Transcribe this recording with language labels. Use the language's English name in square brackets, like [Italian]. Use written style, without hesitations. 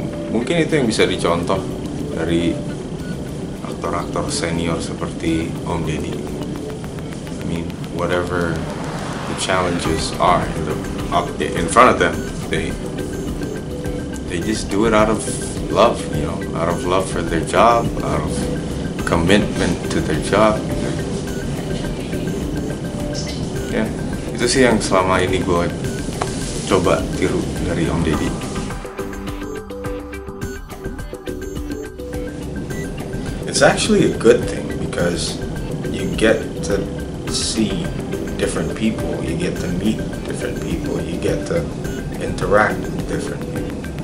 [Indonesian] Mungkin itu yang bisa dicontoh dari aktor-aktor senior seperti Om Deddy. [English] I mean, whatever the challenges are in front of them, they just do it out of love, you know, out of love for their job, out of commitment to their job. Yeah, [Indonesian] itu sih yang selama ini gue coba tiru dari Om Deddy. [English] It's actually a good thing because you get to see different people, you get to meet different people, you get to interact with different people.